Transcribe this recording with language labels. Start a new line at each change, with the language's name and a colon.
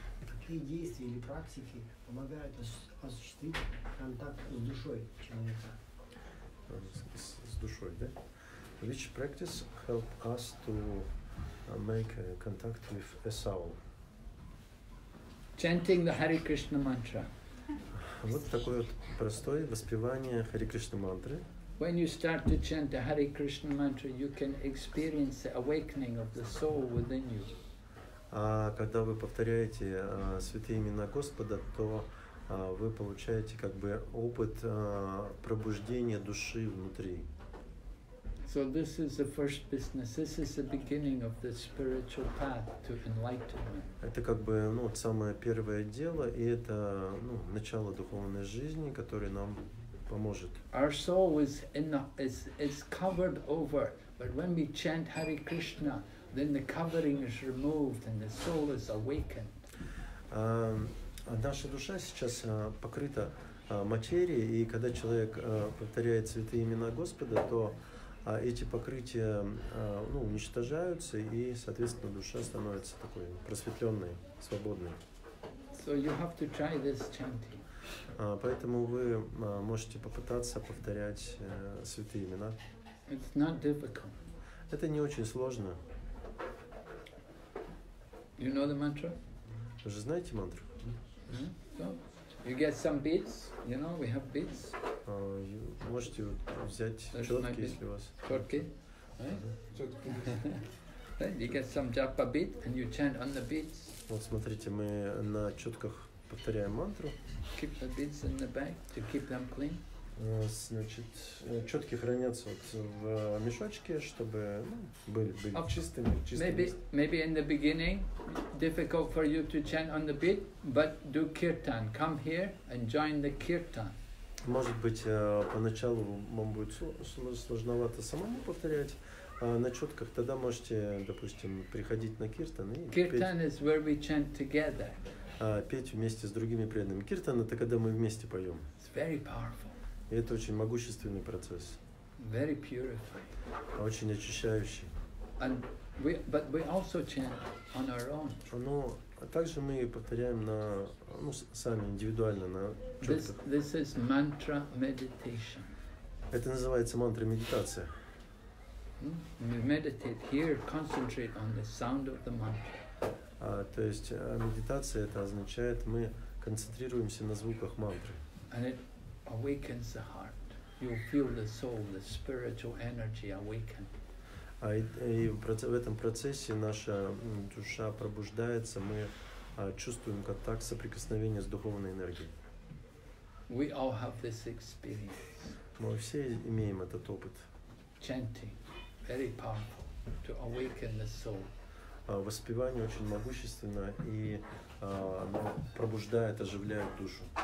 Russian: Какие действия или практики помогают осуществить контакт с душой человека? С душой, да?
English: Which practice help us to make a contact with a soul? Chanting the Hare Krishna mantra.
Russian: Вот такое вот простое воспевание Hare Krishna мантры.
English: When you start to chant the Hare Krishna mantra, you can experience the awakening of the soul within you.
Russian: А когда вы повторяете святые имена Господа, то вы получаете как бы опыт пробуждения души внутри.
English: So this is the first business. This is the beginning of the spiritual path to enlightenment.
Russian: Это как бы самое первое дело, и это начало духовной жизни, которое нам поможет.
English: Our soul is in is covered over, but when we chant Hare Krishna, then the covering is removed and the soul is awakened.
Russian: Наша душа сейчас покрыта материей, и когда человек повторяет святые имена Господа, то эти покрытия уничтожаются, и соответственно душа становится такой просветленной, свободной.
English: So you have to try this chanting.
Russian: Поэтому вы можете попытаться повторять святые имена.
English: It's not difficult.
Russian: Это не очень сложно.
English: You know the mantra?
Russian: Вы же знаете мантру?
English: So you get some beads, you know, we have beads.
Russian: Можете взять четки, если у вас. Четки,
English: right? You get some japa bead and you chant on the beads.
Russian: Вот смотрите, мы на четках повторяем мантру.
English: Keep the beads in the bag to keep them clean.
Russian: Значит, четки хранятся вот в мешочке, чтобы ну, были okay. чистыми,
English: Maybe in the beginning difficult for you to chant on the beat, but do kirtan. Come here and join the kirtan.
Russian: Может быть, поначалу вам будет сложновато самому повторять на четках, тогда можете, допустим, приходить на киртан и
English: kirtan is where we chant together.
Russian: Петь вместе с другими преданными. Киртан — это когда мы вместе поем.
English: It's very powerful.
Russian: И это очень могущественный процесс.
English: Very purifying.
Russian: Очень очищающий.
English: And we, but we also chant on our own.
Russian: Но также мы повторяем на, ну, сами индивидуально на чётках.
English: This is mantra meditation.
Russian: Это называется мантра медитация.
English: We meditate here, concentrate on the sound of the mantra.
Russian: То есть медитация — это означает, мы концентрируемся на звуках мантры.
English: And it awakens the heart. You feel the soul, the spiritual energy awaken.
Russian: И в этом процессе наша душа пробуждается, мы чувствуем контакт, соприкосновение с духовной энергией.
English: We all have this experience.
Russian: Мы все имеем этот опыт.
English: Chanting, very powerful, to awaken the soul.
Russian: Воспевание очень могущественно и пробуждает, оживляет душу.